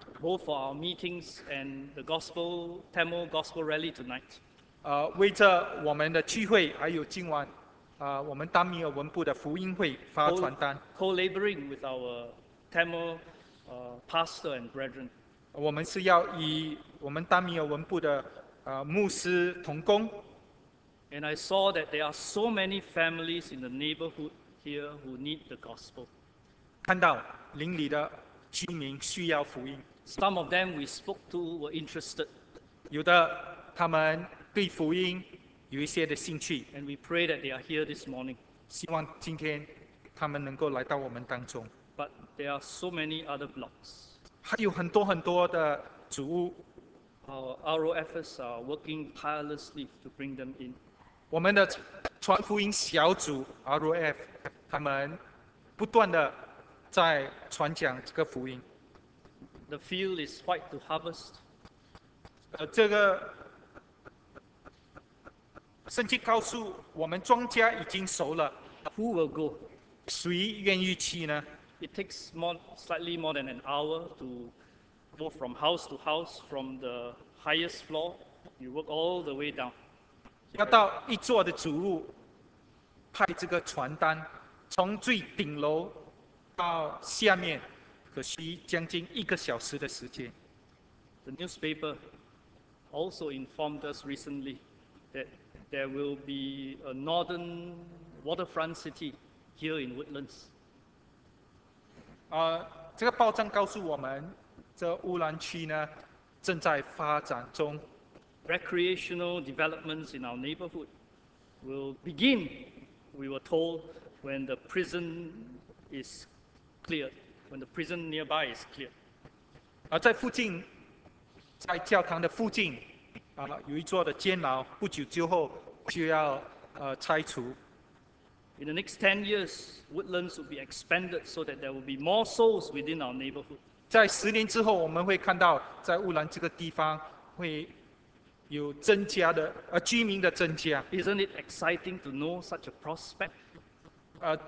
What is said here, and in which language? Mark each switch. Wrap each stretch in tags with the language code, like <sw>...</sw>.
<en>Both for our meetings and the gospel, Tamil gospel rally tonight.</en> <zh>为着我们的聚会，还有今晚我们丹米尔文部的福音会发传单。</zh> <en>Co-laboring with our Tamil pastor and brethren.</en> <zh>我们是要与我们丹米尔文部的牧师同工。</zh> <en>And I saw that there are so many families in the neighborhood here who need the gospel.</en> <zh>看到邻里的居民需要福音。</zh> <en>Some of them we spoke to were interested.</en> <zh>有的他们对福音有一些的兴趣。</zh> <en>And we pray that they are here this morning.</en> <zh>希望今天他们能够来到我们当中。</zh> <en>But there are so many other blocks.</en> <zh>还有很多很多的主屋。</zh> <en>Our ROFs are working tirelessly to bring them in.</en> <zh>我们的传福音小组 ROF 他们不断的在传讲这个福音。</zh> <en>The field is white to harvest.</en> <zh>这个圣经告诉我们庄稼已经熟了。</zh> <en>Who will go?</en> <zh>谁愿意去呢？</zh> <en>It takes slightly more than an hour to go from house to house, from the highest floor, you work all the way down.</en> <zh>要到一座的主屋，派这个传单，从最顶楼到下面，可需将近一个小时的时间。</zh> <en>The newspaper also informed us recently that there will be a northern waterfront city here in Woodlands.</en> <zh>这个报章告诉我们，这乌兰区呢正在发展中。</zh> <en>Recreational developments in our neighborhood will begin, we were told, when the prison is cleared, when the prison nearby is cleared.</en> <zh>在附近，在教堂的附近，有一座的监牢，不久之后就要拆除。</zh> <en>In the next 10 years, Woodlands will be expanded so that there will be more souls within our neighborhood.</en> <zh>在10年之后，我们会看到在乌兰这个地方会有增加的，居民的增加。</zh> <en>Isn't it exciting to know such a prospect?</en>